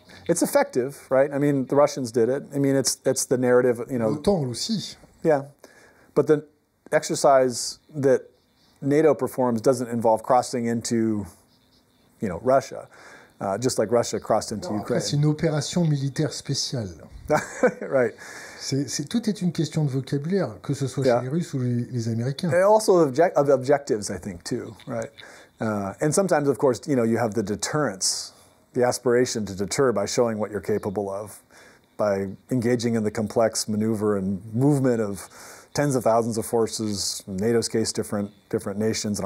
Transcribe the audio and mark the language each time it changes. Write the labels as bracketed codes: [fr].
[en] It's effective, right? I mean, the Russians did it. I mean, it's the narrative, you know. [fr] L'OTAN aussi. [en] Yeah. But the exercise that NATO performs doesn't involve crossing into, you know, Russia, just like Russia crossed into Ukraine. [fr] Après, c'est une opération militaire spéciale. [en] Right. [fr] Tout est une question de vocabulaire, que ce soit chez les Russes ou les Américains. [en] And also of objectives, I think, too, right? And sometimes, of course, you know, you have the deterrence, the aspiration to deter by showing what you're capable of, by engaging in the complex maneuver and movement of tens of thousands of forces, in NATO's case, different nations.